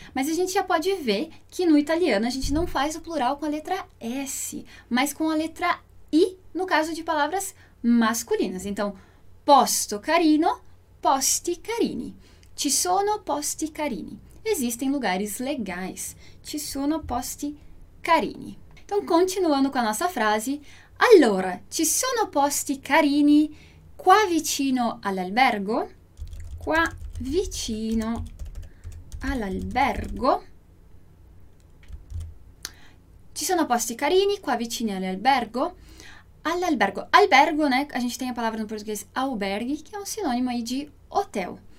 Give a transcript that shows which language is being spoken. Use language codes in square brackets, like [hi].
[pt] Mas a gente já pode ver que no italiano a gente não faz o plural com a letra S, mas com a letra I, no caso de palavras masculinas. [it] Então, posto carino, posti carini. Ci sono posti carini. [pt] Existem lugares legais. [it] Ci sono posti carini. [pt] Então, continuando com a nossa frase. [it] Allora, ci sono posti carini qua vicino all'albergo? Qua vicino all'albergo. Ci sono posti carini qua vicino all'albergo? All'albergo. Albergo, né? [pt] A gente tem a palavra no português albergue, que é um sinônimo aí de hotel.